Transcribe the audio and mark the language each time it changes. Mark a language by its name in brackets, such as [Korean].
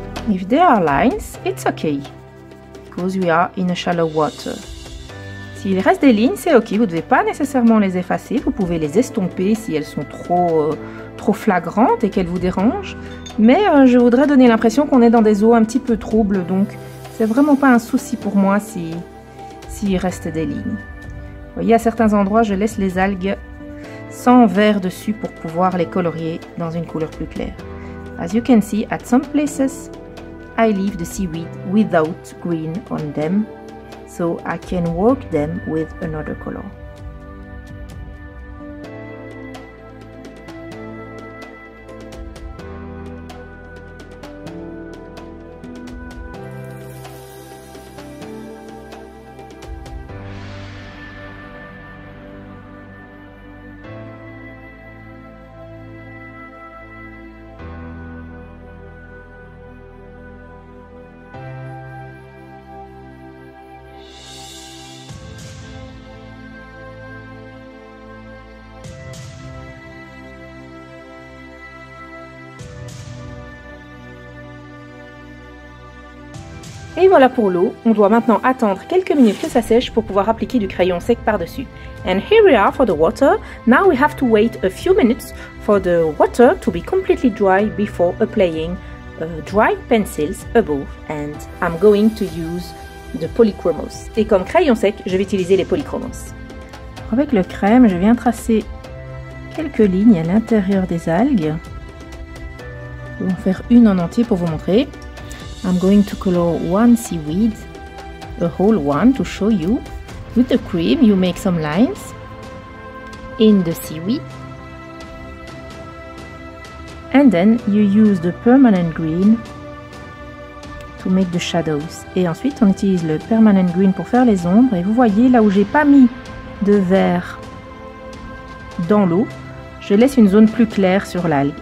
[English] If there are lines, it's okay, because we are in a shallow water. [French] S'il reste des lignes, c'est ok, vous ne devez pas nécessairement les effacer, vous pouvez les estomper si elles sont trop flagrantes et qu'elles vous dérangent. Mais je voudrais donner l'impression qu'on est dans des eaux un petit peu troubles, donc c'est vraiment pas un souci pour moi s'il reste des lignes. Vous voyez, à certains endroits, je laisse les algues sans vert dessus pour pouvoir les colorier dans une couleur plus claire. [English] As you can see, at some places, I leave the seaweed without green on them, so I can work them with another color. [French] Et voilà pour l'eau, on doit maintenant attendre quelques minutes que ça sèche pour pouvoir appliquer du crayon sec par-dessus. [English] And here we are for the water, now we have to wait a few minutes for the water to be completely dry before applying dry pencils above. And I'm going to use the polychromos. [French] Et comme crayon sec, je vais utiliser les polychromos. Avec le crème, je viens tracer quelques lignes à l'intérieur des algues. Je vais en faire une en entier pour vous montrer. [English] I'm going to color one seaweed, a whole one to show you. With the cream, you make some lines in the seaweed. And then you use the permanent green to make the shadows. [French] Et ensuite, on utilise le permanent green pour faire les ombres. Et vous voyez, là où j'ai pas mis de vert dans l'eau, je laisse une zone plus claire sur l'algue.